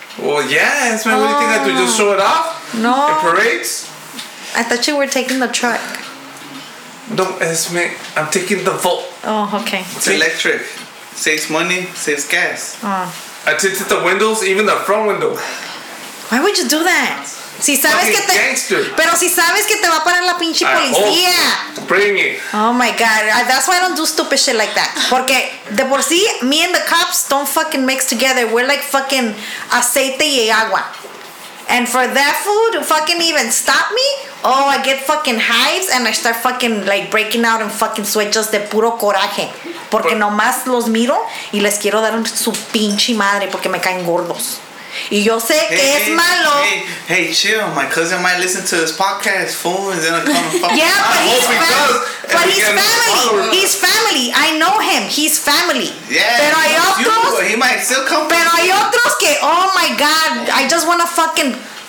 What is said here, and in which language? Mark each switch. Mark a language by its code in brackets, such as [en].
[en] Well, yes, man. Oh. What do you think I do? Just show it off? No. In parades? I thought you were taking the truck. No, Esme. I'm taking the Volt. Oh, okay. It's electric. Saves money, saves gas. Oh. I tinted the windows, even the front window. Why would you do that? [es] Si sabes que te, [en] gangster. [es] Pero si sabes que te va a parar la pinche policía. [en] Bring it. Oh my God. That's why I don't do stupid shit like that. [es] Porque de por sí, [en] me and the cops don't fucking mix together. We're like fucking [es] aceite y agua. [en] And for that food to fucking even stop me, Oh, I get fucking hives and I start fucking like breaking out and fucking sweat just [es] de puro coraje. Porque nomás los miro y les quiero dar su pinche madre porque me caen gordos. Y yo sé que es malo. [en] Hey, chill. My cousin might listen to this podcast, fool, and then I'll come and fuck him. Yeah, but he's family. But he's family. He's family. I know him. He's family. Yeah. [es] Pero hay otros. [en] He might still come. [es] Pero hay otros que, [en] oh my God, I just want to fucking...